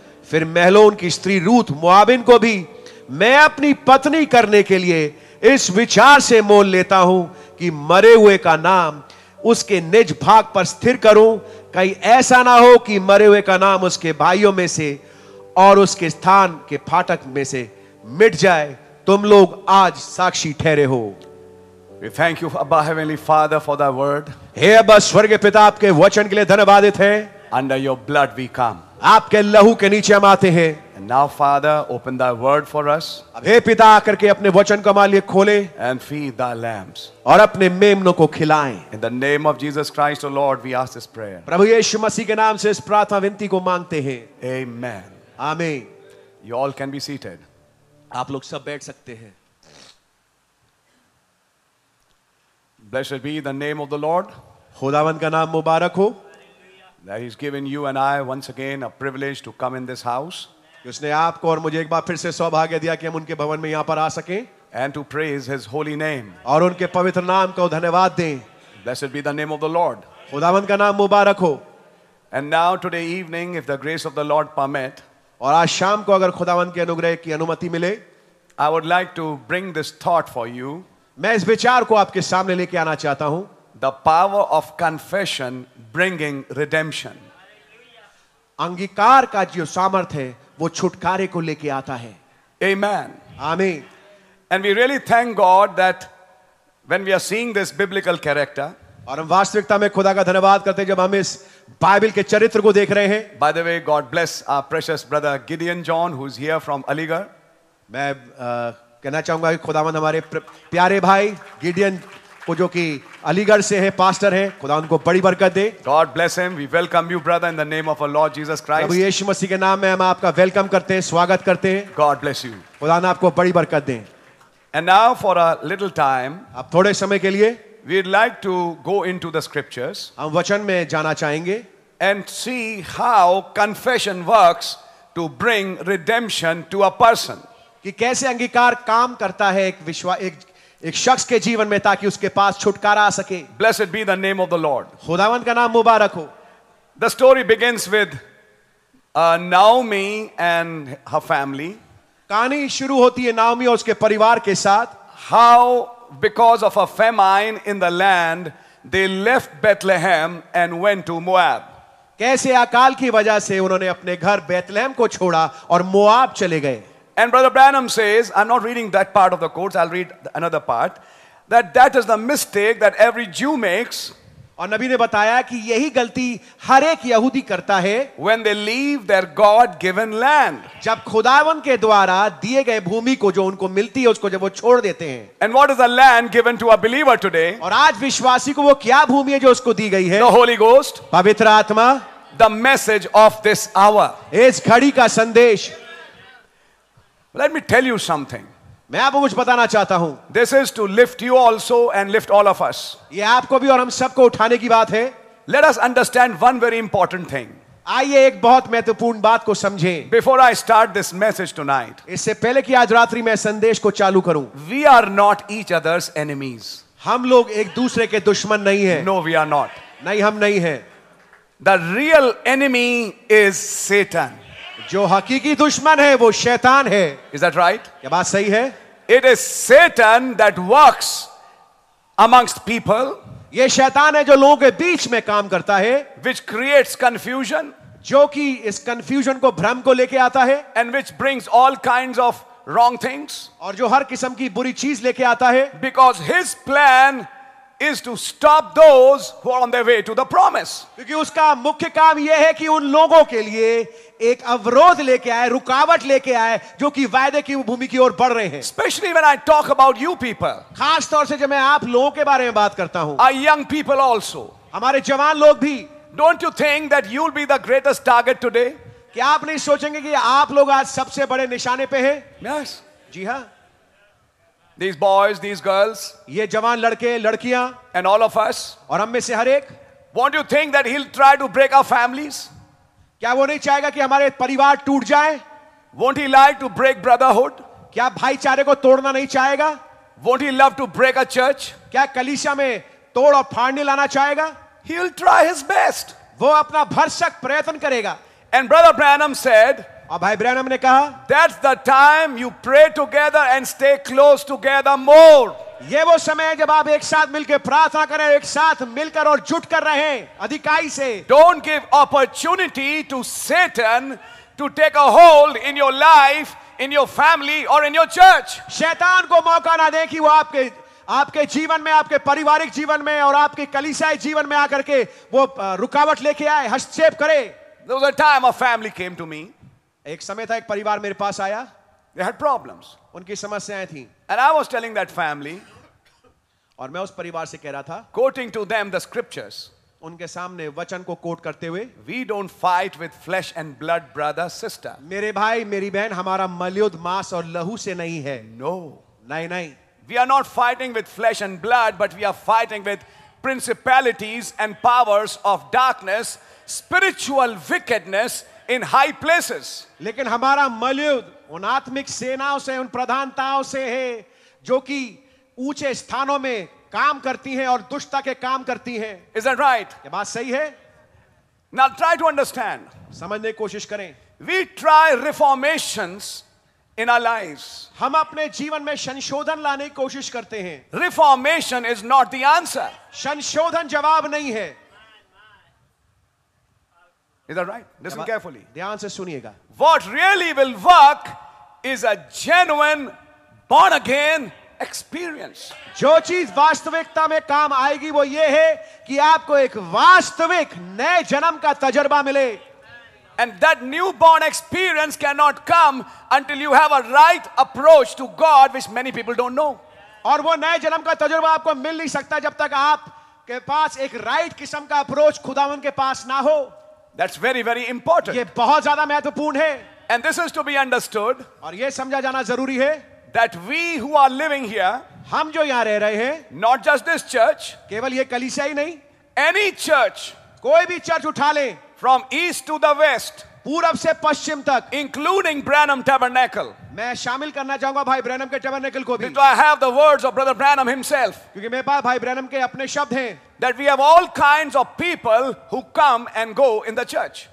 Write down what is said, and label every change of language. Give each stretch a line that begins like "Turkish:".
Hindi: फिर मेलोन की स्त्री रूथ मोआबिन को भी मैं अपनी पत्नी करने के लिए इस विचार से मोल लेता हूं कि मरे हुए का नाम उसके निज भाग पर स्थिर करूं, कहीं ऐसा ना हो कि मरे हुए का नाम उसके भाइयों में से और उसके स्थान के फाटक में से मिट जाए। तुम लोग आज साक्षी ठहरे हो।
English: We thank you, Abba Heavenly Father, for thy word.
Hindi: हे अब्बा स्वर्गीय पिता, आपके वचन के लिए धन्यवाद है।
English: Under your blood we come.
Hindi: आपके लहू के नीचे हम आते हैं।
English: Now, Father, open thy word for us.
Hindi: हे पिता, आकर के अपने वचन को हमारे लिए खोले।
English: And feed thy lambs.
Hindi: और अपने मेमनों को खिलाएं।
English: In the name of Jesus Christ, O Lord, we ask this prayer.
Hindi: प्रभु यीशु मसीह के नाम से इस प्रार्थना विनती को मांगते हैं।
English: Amen. Amen. You all can be seated.
Hindi: आप लोग सब बैठ सकते हैं।
English: Blessed be the name of the Lord.
Hindi: खुदावंद का नाम मुबारक हो।
English: That He's given you and I once again a privilege to come in this house.
Hindi: उसने आपको और मुझे एक बार फिर से सौभाग्य दिया कि हम उनके भवन में यहाँ पर आ सकें।
English: And to praise His holy name.
Hindi: और उनके पवित्र नाम को धन्यवाद दें।
English: Blessed be the name of the Lord.
Hindi: खुदावंद का नाम मुबारक हो।
English: And now today evening, if the grace of the Lord permit.
Hindi: और आज शाम को अगर खुदावंद के अनुग्रह की अनुमति मिले,
English: I would like to bring this thought for you.
Hindi: मैं इस विचार को आपके सामने लेके आना चाहता हूँ।
English: The power of confession bringing redemption.
Hindi: अंगीकार का जो सामर्थ्य है, वो छुटकारे को लेके आता है।
English: Amen.
Hindi: आमीन।
English: And we really thank God that when we are seeing this biblical character,
Hindi: और हम वास्तविकता में खुदा का धन्यवाद करते हैं जब हम इस बाइबल के चरित्र को देख रहे हैं।
English: By the way, God bless our precious brother Gideon John, who's here from Aligarh.
Hindi: मैं कहना चाहूंगा कि खुदावंद हमारे प्यारे भाई गिडियन को, जो कि अलीगढ़ से है, पास्टर है, खुदा उनको बड़ी बरकत दे।
English: God bless him. We welcome you, brother, in the name of our Lord Jesus Christ.
Hindi: प्रभु यीशु मसीह के नाम में हम आपका वेलकम करते हैं, स्वागत करते हैं।
English: God bless you.
Hindi: खुदा ने आपको बड़ी बरकत दे।
English: And now for a little time,
Hindi: अब थोड़े समय के लिए,
English: we'd like to go into the scriptures.
Hindi: हम वचन में जाना चाहेंगे।
English: And see how confession works to bring redemption to a person.
Hindi: कि कैसे अंगीकार काम करता है एक शख्स के जीवन में, ताकि उसके पास छुटकारा आ सके।
English: Blessed be the name of the Lord.
Hindi: खुदावंद का नाम मुबारक हो।
English: The story begins with Naomi and her family.
Hindi: कहानी शुरू होती है नाओमी और उसके परिवार के साथ।
English: How because of a famine in the land they left Bethlehem and went to Moab.
Hindi: कैसे अकाल की वजह से उन्होंने अपने घर बेतलहम को छोड़ा और मोआब चले गए।
English: And Brother Branham says, I'm not reading that part of the quotes, I'll read another part, that is the mistake that every Jew makes.
Hindi: और नबी ने बताया कि यही गलती हर एक यहूदी करता है.
English: When they leave their God-given land.
Hindi: जब खुदावन के द्वारा दिए गए भूमि को जो उनको मिलती है उसको जब वो छोड़ देते हैं.
English: And what is the land given to a believer today?
Hindi: और आज विश्वासी को वो क्या भूमि है जो उसको दी गई है?
English: The Holy Ghost.
Hindi: पवित्र आत्मा.
English: The message of this hour.
Hindi: इस घड़ी का संदेश.
English: Let me tell you something.
Hindi: मैं आपको कुछ बताना चाहता हूं.
English: This is to lift you also and lift all of us.
Hindi: ये आपको भी और हम सबको उठाने की बात है.
English: Let us understand one very important thing.
Hindi: आइए एक बहुत महत्वपूर्ण बात को समझें.
English: Before I start this message tonight.
Hindi: इससे पहले कि आज रात्रि मैं संदेश को चालू करूं.
English: We are not each other's enemies.
Hindi: हम लोग एक दूसरे के दुश्मन नहीं हैं.
English: No, we are not.
Hindi: नहीं, हम नहीं हैं.
English: The real enemy is Satan.
Hindi: जो हकीकी दुश्मन है वो शैतान है.
English: Is that right?
Hindi: ये बात सही है.
English: It is Satan that works amongst people.
Hindi: ये शैतान है जो लोगों के बीच में काम करता है.
English: Which creates confusion.
Hindi: जो कि इस confusion को भ्रम को लेके आता है.
English: And which brings all kinds of wrong things.
Hindi: और जो हर किस्म की बुरी चीज लेके आता है.
English: Because his plan is to stop those who are on their way to the promise.
Hindi: क्योंकि उसका मुख्य काम ये है कि उन लोगों के लिए एक अवरोध लेके आए, रुकावट लेके आए, जो कि वायदे की भूमि की ओर बढ़ रहे हैं.
English: Especially when I talk about you people.
Hindi: खास तौर से जब मैं आप लोगों के बारे में बात करता हूँ.
English: Our young people also.
Hindi: हमारे जवान लोग भी.
English: Don't you think that you'll be the greatest target today?
Hindi: क्या आप नहीं सोचेंगे कि आप लोग आज सबसे बड़े निशाने पे हैं?
English: Yes.
Hindi: जी हाँ.
English: These boys, these girls.
Hindi: ये जवान लड़के, लड़कियाँ.
English: And all of us.
Hindi: और हम में से हर एक.
English: Won't you think that he'll try to break our families?
Hindi: क्या वो नहीं चाहेगा कि हमारे परिवार टूट जाए?
English: Won't he like to break brotherhood?
Hindi: क्या भाईचारे को तोड़ना नहीं चाहेगा?
English: Won't he love to break a church?
Hindi: क्या कलीसिया में तोड़ और फाड़ने लाना चाहेगा?
English: He'll try his best.
Hindi: वो अपना भरसक प्रयत्न करेगा.
English: And Brother Branham said.
Hindi: और भाई ब्रैनम ने कहा.
English: That's the time you pray together and stay close together more.
Hindi: ये वो समय है जब आप एक साथ मिलकर प्रार्थना करें, एक साथ मिलकर और जुट कर रहे हैं अधिकाई से.
English: Don't give opportunity to Satan to take a hold in your life, in your family और in your church.
Hindi: शैतान को मौका ना दें कि वो आपके आपके जीवन में, आपके पारिवारिक जीवन में और आपके कलीसियाई जीवन में आकर के वो रुकावट लेके आए, हस्तक्षेप करे.
English: There was a time a family came to me.
Hindi: एक समय था एक परिवार मेरे पास आया.
English: They had problems.
Hindi: उनकी समस्याएं थी.
English: And I was telling that family.
Hindi: और मैं उस परिवार से कह रहा था.
English: Quoting to them the scriptures.
Hindi: उनके सामने वचन को कोट करते हुए.
English: We don't fight with flesh and blood, brother, sister.
Hindi: मेरे भाई, मेरी बहन, हमारा मलयुद्ध मांस और लहू से नहीं है.
English: No.
Hindi: नहीं नहीं.
English: We are not fighting with flesh and blood, but we are fighting with principalities and powers of darkness, spiritual wickedness in high places.
Hindi: लेकिन हमारा मलयुद्ध उन आत्मिक सेनाओं से, उन प्रधानताओं से है जो कि ऊंचे स्थानों में काम करती हैं और दुष्टता के काम करती हैं.
English: Is that right?
Hindi: ये बात सही है?
English: Now try to understand.
Hindi: समझने की कोशिश करें.
English: We try reformations in our lives.
Hindi: हम अपने जीवन में संशोधन लाने की कोशिश करते हैं.
English: Reformation is not the answer.
Hindi: संशोधन जवाब नहीं है.
English: Is that right? Listen carefully.
Hindi: ध्यान से सुनिएगा.
English: What really will work is a genuine born again experience.
Hindi: जो चीज वास्तविकता में काम आएगी वो ये है कि आपको एक वास्तविक नए जन्म का तजुर्बा मिले.
English: And that new born experience cannot come until you have a right approach to God, which many people don't know.
Hindi: और वो नए जन्म का तजुर्बा आपको मिल नहीं सकता जब तक आप के पास एक right किस्म का approach खुदावन के पास ना हो.
English: That's very, very important.
Hindi: ये बहुत ज़्यादा महत्वपूर्ण है.
English: And this is to be understood.
Hindi: और ये समझा जाना ज़रूरी है.
English: That we who are living here.
Hindi: हम जो यहाँ रह रहे हैं.
English: Not just this church.
Hindi: केवल ये कलीसिया ही नहीं.
English: Any church.
Hindi: कोई भी चर्च उठा ले.
English: From east to the west.
Hindi: पूरब से पश्चिम तक.
English: Including Branham Tabernacle.
Hindi: मैं शामिल करना चाहूंगा भाई ब्रैनम के टैबरनेकल को भी.
English: So I have the words of Brother Branham himself.
Hindi: क्योंकि मेरे पास भाई ब्रैनम के अपने शब्द हैं.
English: That we have all kinds of people who come and go in the church.